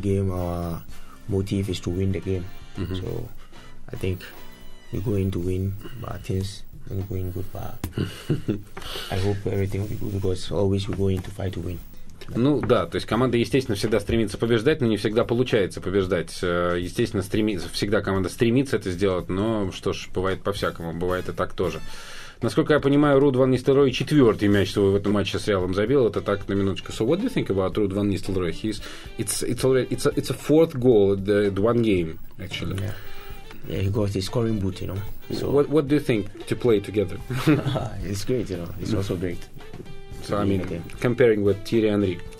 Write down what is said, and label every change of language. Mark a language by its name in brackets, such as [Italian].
[English] our motive is to win the game. So I think we're going to win, but things are going good, but I hope everything will be good, because always we're going to fight to win. [Russian] Ну да, то есть команда, естественно, всегда стремится побеждать, но не всегда получается побеждать. Естественно, всегда команда стремится это сделать, но что ж, бывает по-всякому, бывает и так тоже. Насколько я понимаю, Руд Ван Нистелрой четвертый мяч, что в этом матче с Реалом забил, это так, на минуточку. [English] So what do you think about Руд Ван Нистелрой? It's a fourth goal in the one game, actually. Yeah, he got the scoring boot, you know. So what do you think to play together? It's great, you know, it's also great. So, I mean, comparing with Thierry Henry.